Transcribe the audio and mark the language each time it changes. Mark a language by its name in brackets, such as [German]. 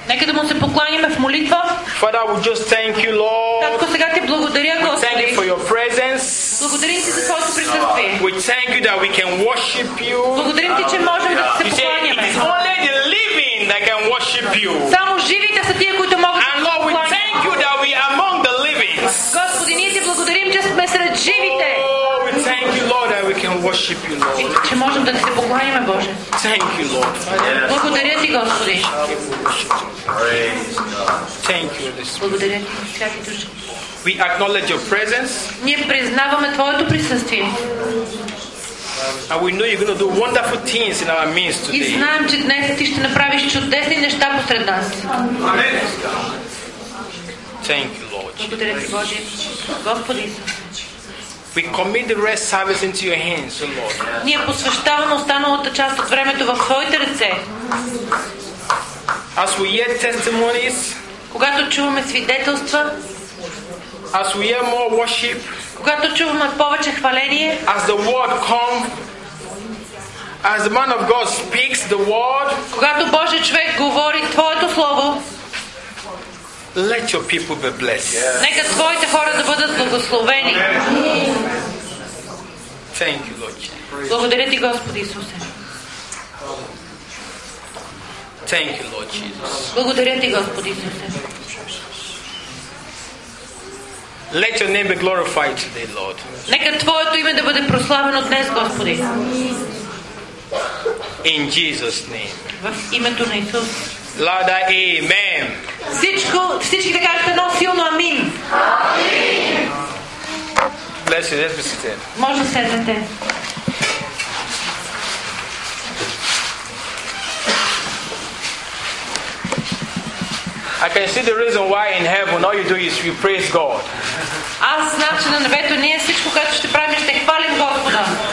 [Bulgarian] Нека да му се покланяме в молитва. [English] Father, we just thank you, Lord. [Bulgarian] Татко, сега ти благодаря, Господи. [English] Thank you for your presence. [Bulgarian] Благодарим ти за твоето присъствие. [English] We thank you that we can worship you. [Bulgarian] Благодарим ти, че можем да се покланяме. [English] It's only the living that can worship you. [Bulgarian] Само живите са тия, които могат да се покланяме. [English] And Lord, we thank you that we are among the living. [Bulgarian] Господи, ние ти благодарим, че сме сред живите. [English] Thank you, Lord, that we can worship you, Lord. [Bulgarian] Че можем да се покланяме, Боже. [English] Thank you, Lord. Yes. [Bulgarian] Благодаря ти, Господи. [English] Thank you, Lord. We acknowledge your presence. [Bulgarian] Ние признаваме твоето присъствие. [English] And we know you're going to do wonderful things in our midst today. [Bulgarian] И знаем, че днес ти ще направиш чудесни неща посред нас. [English] Amen. Thank you, Lord. [Bulgarian] Благодаря ти, Боже. Господи. [English] We commit the rest service into your hands, O Lord. [Bulgarian] Ние посвещаваме останалата част от времето в твоите ръце. [English] As we hear testimonies, [Bulgarian] когато чуваме свидетелства, [English] as we hear more worship, [Bulgarian] когато чуваме повече хваление, [English] as the word come, as the man of God speaks the word, [Bulgarian] когато Божият човек говори твоето слово, [English] let your people be blessed. Yes. [Bulgarian] Нека твоите хора да бъдат благословени. [English] Thank you, Lord Jesus. [Bulgarian] Благодаря ти, Господи Исусе. [English] Thank you, Lord Jesus. [Bulgarian] Благодаря ти, Господи Исусе. [English] Let your name be glorified today, Lord. [Bulgarian] Нека твоето име да бъде прославено днес, Господи. [English] In Jesus' name. [Bulgarian] В името на Исус. [English] Lord, amen. [Bulgarian] Всички да кажете едно силно амин. Амин. [English] Bless you, let's be seated. [Bulgarian] Може седнете. [English] I can see the reason why in heaven all you do is you praise God. [Bulgarian] Аз знам, че на небето ние всичко, което ще правим, ще хвалим Господа.